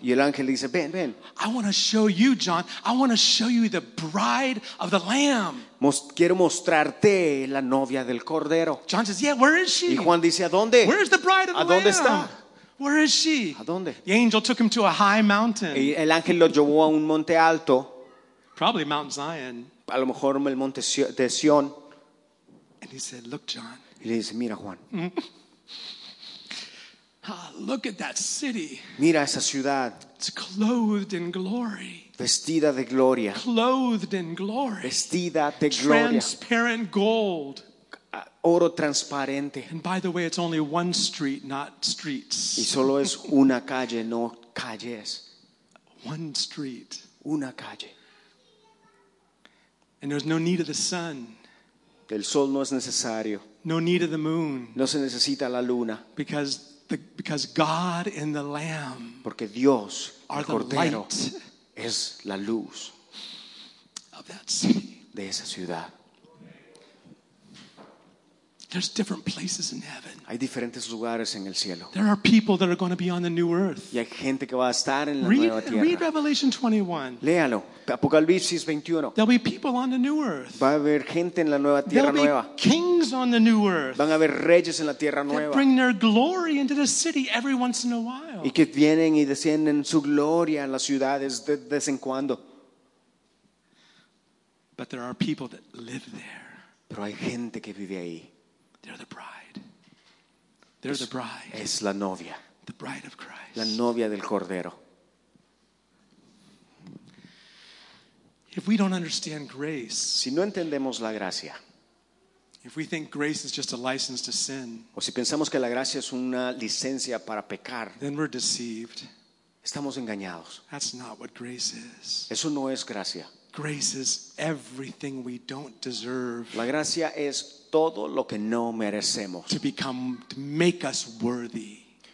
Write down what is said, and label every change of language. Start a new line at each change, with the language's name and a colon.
Spanish: Y el ángel dice, ven.
English: I want to show you, John. I want to show you the bride of the Lamb.
Spanish: Quiero mostrarte la novia del Cordero.
English: John says, yeah, where is she?
Spanish: Y Juan dice, ¿a dónde?
English: Where is the bride of the Lamb?
Spanish: ¿A dónde está?
English: Where is she?
Spanish: ¿A dónde?
English: The angel took him to a high mountain.
Spanish: Y el ángel lo llevó a un monte alto.
English: Probably Mount Zion.
Spanish: A lo mejor el monte de Sion.
English: And he said, look, John.
Spanish: Y le dice, mira, Juan.
English: Look at that city.
Spanish: Mira esa ciudad.
English: It's clothed in glory.
Spanish: Vestida de gloria.
English: Clothed in glory.
Spanish: Vestida de gloria.
English: Transparent gold.
Spanish: Oro transparente.
English: And by the way, it's only one street, not streets.
Spanish: Y solo es una calle, no calles.
English: One street.
Spanish: Una calle.
English: And there's no need of the sun.
Spanish: El sol no es necesario.
English: No need of the moon.
Spanish: No se necesita la luna.
English: Because God and the Lamb.
Spanish: Porque Dios,
English: are
Spanish: el Cordero,
English: the light
Spanish: es la luz
English: of that city.
Spanish: De esa ciudad.
English: There's different places in heaven.
Spanish: Hay diferentes lugares en el cielo.
English: There are people that are going to be on the new earth.
Spanish: Y hay gente que va a estar en la nueva tierra.
English: Read Revelation 21.
Spanish: Léalo. Apocalipsis 21.
English: There'll be people on the new earth.
Spanish: Va a haber gente en la nueva tierra nueva.
English: There'll be kings on the new earth.
Spanish: Van a haber reyes en la tierra nueva.
English: That bring their glory into the city every once in a while.
Spanish: Y que vienen y descienden su gloria en las ciudades de vez en cuando.
English: But there are people that live there.
Spanish: Pero hay gente que vive ahí.
English: They're the bride. They're the bride.
Spanish: Es la novia.
English: The bride of Christ.
Spanish: La novia del Cordero.
English: If we don't understand grace,
Spanish: si no entendemos la gracia,
English: if we think grace is just a license to sin,
Spanish: o si pensamos que la gracia es una licencia para pecar,
English: then we're deceived.
Spanish: Estamos engañados.
English: That's not what grace is.
Spanish: Eso no es gracia.
English: Grace is everything we don't deserve.
Spanish: La gracia es todo lo que no merecemos.
English: To become, to make us worthy.